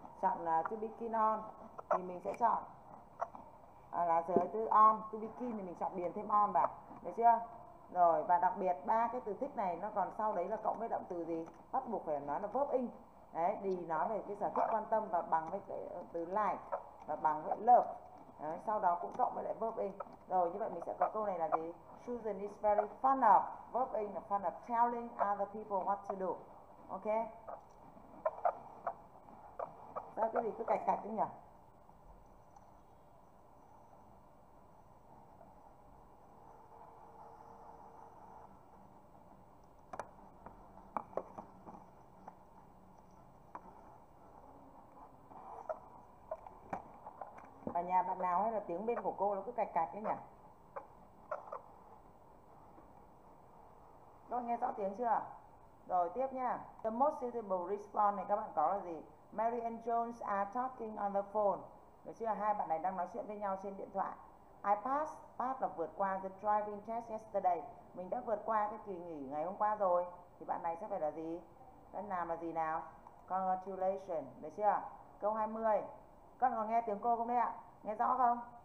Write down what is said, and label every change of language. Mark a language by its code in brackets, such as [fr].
[vi] Chọn là to be keen on. Thì mình sẽ chọn là giới từ on, to be keen thì mình chọn điền thêm on vào. Được chưa? Rồi, và đặc biệt ba cái từ thích này nó còn sau đấy là cộng với động từ gì? Bắt buộc phải nói là verb in. Đấy, đi nói về cái sở thích quan tâm và bằng với cái từ like và bằng với love. Đấy, sau đó cũng cộng với lại verb in. Rồi, như vậy mình sẽ có câu này là gì? [en] Susan is very fond of, verb in là fond of telling other people what to do. Ok? [vi] Sao cái gì cứ cạch cạch thế nhỉ? Nhà bạn nào hay là tiếng bên của cô nó cứ cạch cạch ấy nhỉ? Cô nghe rõ tiếng chưa? Rồi tiếp nha. [en] The most suitable response [vi] này các bạn có là gì? [en] Mary and Jones are talking on the phone. [vi] Được chưa? Hai bạn này đang nói chuyện với nhau trên điện thoại. [en] I passed. [vi] Pass là vượt qua [en] the driving test yesterday. [vi] Mình đã vượt qua cái kỳ nghỉ ngày hôm qua rồi. Thì bạn này sẽ phải là gì? Bạn nào là gì nào? Congratulations. Được chưa? Câu 20. Các bạn còn nghe tiếng cô không đấy ạ? Nghe rõ không?